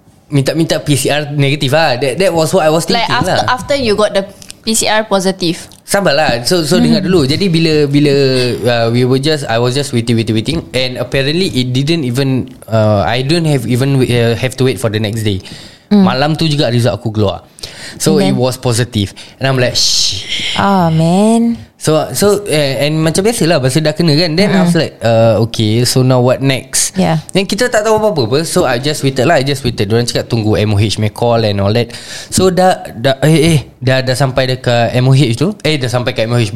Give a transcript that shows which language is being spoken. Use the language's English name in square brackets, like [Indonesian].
[Malay] Minta PCR negative lah. [English] That was what I was thinking like after you got the PCR positive. [Malay] Sambal lah. So dengar dulu. Jadi bila [English] we were just, I was just waiting, and apparently it didn't even, I don't have to wait for the next day. [Malay] Malam tu juga result aku keluar. [English] So then, it was positive, and I'm like, shh. Oh man. So and [Malay] macam biasa lah, pasal dah kena kan. [English] Then I was like, okay, so now what next? Yeah. And [Malay] kita tak tahu apa-apa. [English] So I just waited. [Malay] Diorang cakap tunggu MOH [English] may call and all that. [Malay] So dah sampai dekat MOH tu. Dah sampai kat MOH.